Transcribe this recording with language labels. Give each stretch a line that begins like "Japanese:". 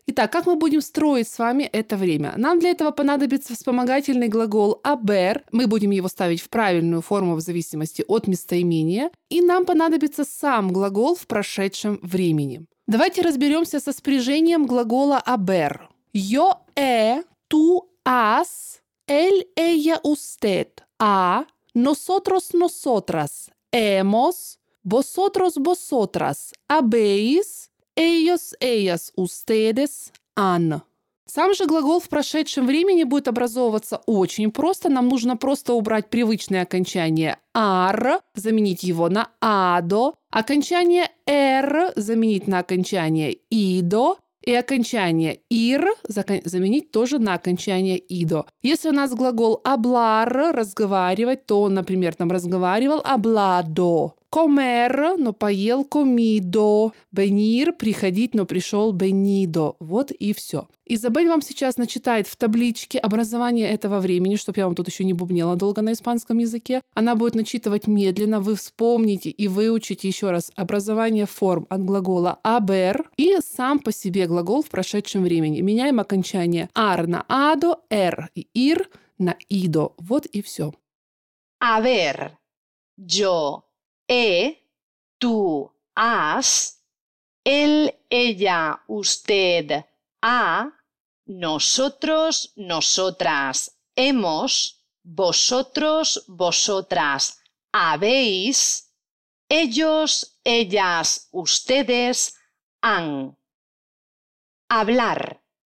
Russian: Итак, как мы будем строить с вами это время? Нам для этого понадобится вспомогательный глагол «haber», мы будем его ставить в правильную форму в зависимости от местоимения, и нам понадобится сам глагол в прошедшем времени. Давайте разберемся со спряжением глагола «haber».
Spanish: «Yo he», «tú has», «él, ella, usted», «a», «nosotros, nosotras», «hemos», «vosotros, vosotras», «habéis», «ellos, ellas, ustedes», «han».
Russian: Сам же глагол в прошедшем времени будет образовываться очень просто. Нам нужно просто убрать привычное окончание «ar», заменить его на «ado», окончание «er» заменить на окончание «ido», и окончание «ir» заменить тоже на окончание «ido». Если у нас глагол «hablar» – «разговаривать», то он, например, там разговаривал «hablado». «Comer» – «но поел comido». «Venir» – «приходить, но пришел venido». Вот и все. Изабель вам сейчас начитает в табличке образование этого времени, чтобы я вам тут еще не бубнела долго на испанском языке. Она будет начитывать медленно. Вы вспомните и выучите еще раз образование форм от глагола «haber» и сам по себе глагол в прошедшем времени. Меняем окончание «ar» на «ado», «er» и «ir» на «ido». Вот и все.
Spanish: «A ver, yo, he, tú, has, él, ella, usted, a, nosotros, nosotras, hemos, vosotros, vosotras, habéis, ellos, ellas, ustedes, han». Hablar.